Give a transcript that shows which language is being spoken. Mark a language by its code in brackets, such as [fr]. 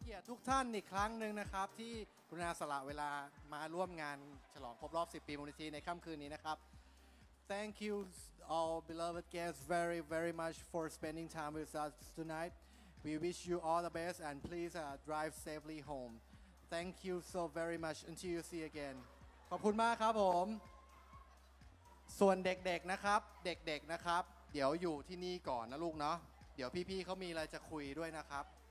[th] ทุกท่านอีกครั้งหนึ่งนะครับที่กรุณาสละเวลามาร่วมงานฉลองครบรอบ10ปีมูลนิธิในค่ำคืนนี้นะครับ [en] Thank you all beloved guests very very much for spending time with us tonight. We wish you all the best and please drive safely home. Thank you so very much until you see again. [th] ขอบคุณมากครับผมส่วนเด็กๆนะครับเด็กๆนะครับเดี๋ยวอยู่ที่นี่ก่อนนะลูกเนาะเดี๋ยวพี่ๆเขามีอะไรจะคุยด้วยนะครับ